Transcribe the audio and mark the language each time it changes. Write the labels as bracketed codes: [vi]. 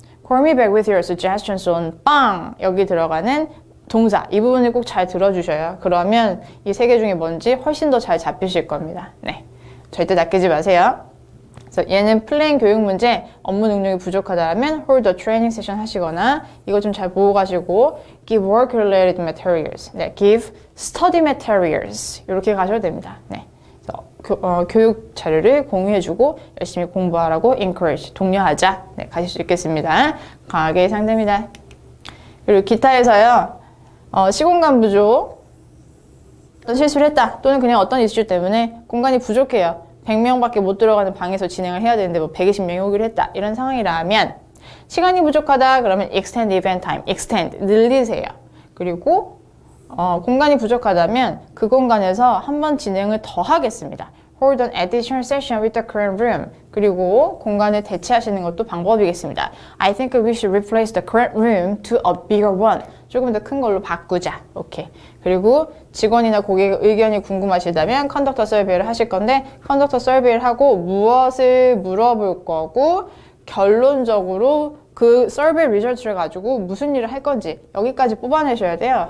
[en] Call me back with your suggestions on 빵! [ko] 여기 들어가는 동사. 이 부분을 꼭 잘 들어주셔요. 그러면 이 세 개 중에 뭔지 훨씬 더 잘 잡히실 겁니다. 네. 절대 낚이지 마세요. 그래서 얘는 플랜 교육 문제, 업무 능력이 부족하다면 [en] hold a training session [ko] 하시거나 이거 좀 잘 보고 가시고 [en] give work related materials, [ko] 네, [en] give study materials [ko] 이렇게 가셔도 됩니다. 네, 그래서 교육 자료를 공유해주고 열심히 공부하라고 encourage, 독려하자. 네, 가실 수 있겠습니다. 강하게 예상됩니다. 그리고 기타에서요, 시공간 부족, 또 실수를 했다, 또는 그냥 어떤 이슈 때문에 공간이 부족해요. 100명밖에 못 들어가는 방에서 진행을 해야 되는데 뭐 120명이 오기로 했다 이런 상황이라면, 시간이 부족하다 그러면 [en] extend event time, [ko] extend 늘리세요. 그리고 공간이 부족하다면 그 공간에서 한번 진행을 더 하겠습니다. [en] Hold an additional session with the current room. [ko] 그리고 공간을 대체하시는 것도 방법이겠습니다. [en] I think we should replace the current room to a bigger one. [ko] 조금 더 큰 걸로 바꾸자. 오케이. 그리고 직원이나 고객의 의견이 궁금하시다면 컨덕터 서베이를 하실 건데, 컨덕터 서베이를 하고 무엇을 물어볼 거고 결론적으로 그 서베이 리절트를 가지고 무슨 일을 할 건지 여기까지 뽑아내셔야 돼요.